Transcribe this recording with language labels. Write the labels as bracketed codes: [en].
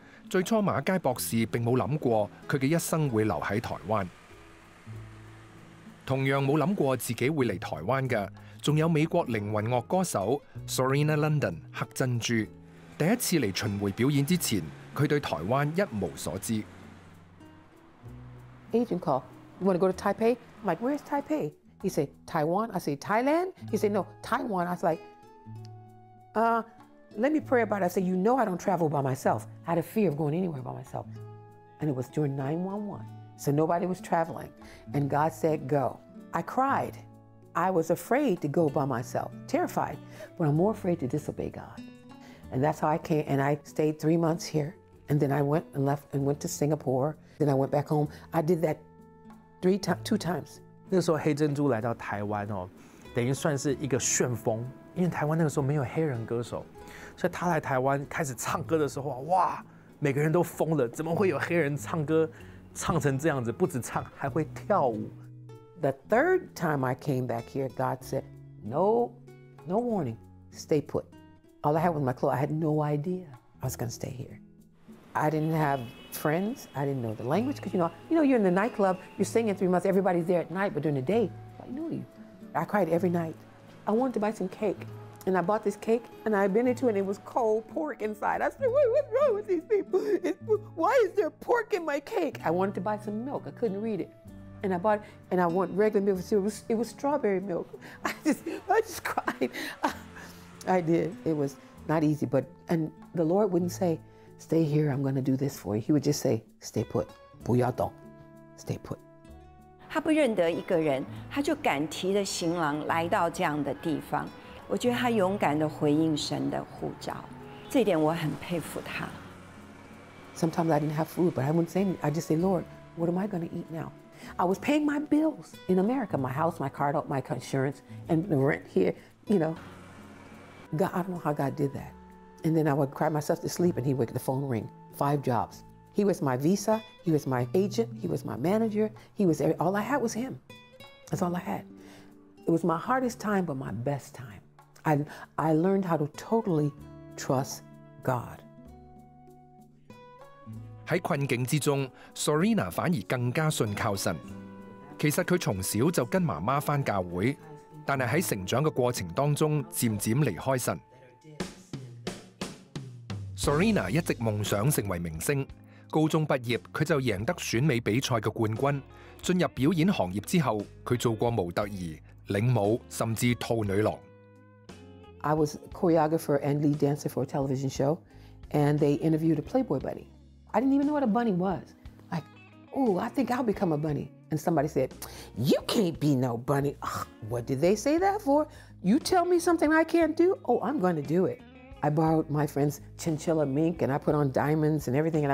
[zh] 最初马佳博士并没想过他的一生会留在台湾，同样没想过自己会来台湾的还有美国灵魂乐歌手 Serena London 黑珍珠。第一次来巡回表演之前，他对台湾一无所知。 [en] Agent call, you want to go to Taipei? I'm like, where's Taipei? He said, Taiwan? I said, Thailand? He said, no, Taiwan. I was like, let me pray about it. I said, you know I don't travel by myself. I had a fear of going anywhere by myself. And it was during 911. So nobody was traveling. And God said, go. I cried. I was afraid to go by myself, terrified. But I'm more afraid to disobey God. And that's how I came. And I stayed 3 months here. And then I went and left and went to Singapore. Then I went back home. I did that two times. [zh] 那时候黑珍珠来到台湾哦，等于算是一个旋风，因为台湾那个时候没有黑人歌手，所以他来台湾开始唱歌的时候，哇，每个人都疯了，怎么会有黑人唱歌唱成这样子？不止唱，还会跳舞。 [en] The third time I came back here, God said, "No, no warning, stay put." All I had was my clothes. I had no idea I was going to stay here. I didn't have. Friends, I didn't know the language because you know, you're in the nightclub, you're singing 3 months, everybody's there at night, but during the day, I knew you. I cried every night. I wanted to buy some cake, and I bought this cake, and I bent into it, and it was cold pork inside. I said, what's wrong with these people? Why is there pork in my cake? I wanted to buy some milk, I couldn't read it. And I bought it, and I want regular milk, it was strawberry milk. I just cried. I did. It was not easy, and the Lord wouldn't say,Stay here, I'm going to do this for you. He would just say, stay put. [zh] 不要动 [en] stay put. [zh] 他不认得一个人，他就敢提着行囊来到这样的地方。我觉得他勇敢地回应神的呼召，这点我很佩服他。 [en] Sometimes I didn't have food, but I wouldn't say anything. I just say, Lord, what am I going to eat now? I was paying my bills in America, my house, my car, my insurance, and the rent here, you know. God, I don't know how God did that. And then I would cry myself to sleep and he would, the phone ring, 5 jobs. He was my visa, he was my agent, he was my manager, he was, all I had was him. That's all I had. It was my hardest time, but my best time. I learned how to totally trust God. [zh] 在困境之中 ，Sorina 反而更加信靠神。其实她从小就跟妈妈翻教会，但是在成长的过程当中渐渐离开神。 Sorina 一直梦想成为明星，高中毕业她就赢得选美比赛的冠军。进入表演行业之后，她做过模特儿、领舞，甚至兔女郎。 [en] I was choreographer and lead dancer for a television show, and they interviewed a Playboy bunny. I didn't even know what a bunny was. Like, oh, I think I'll become a bunny. And somebody said, you can't be no bunny. Ugh, what did they say that for? You tell me something I can't do? Oh, I'm going to do it. I borrowed my friend's chinchilla mink and I put on diamonds and everything.